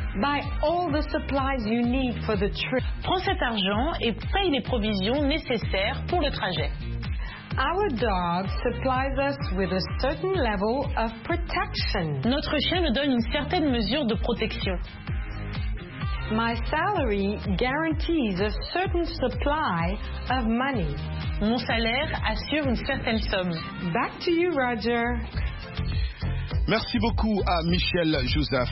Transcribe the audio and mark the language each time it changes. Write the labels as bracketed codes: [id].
[en] Buy all the supplies you need for the trip. [fr] Prends cet argent et paye les provisions nécessaires pour le trajet. [en] Our dog supplies us with a certain level of protection. [fr] Notre chien nous donne une certaine mesure de protection. [en] My salary guarantees a certain supply of money. [fr] Mon salaire assure une certaine somme. [en] Back to you, Roger. [fr] Merci beaucoup à Michel Joseph.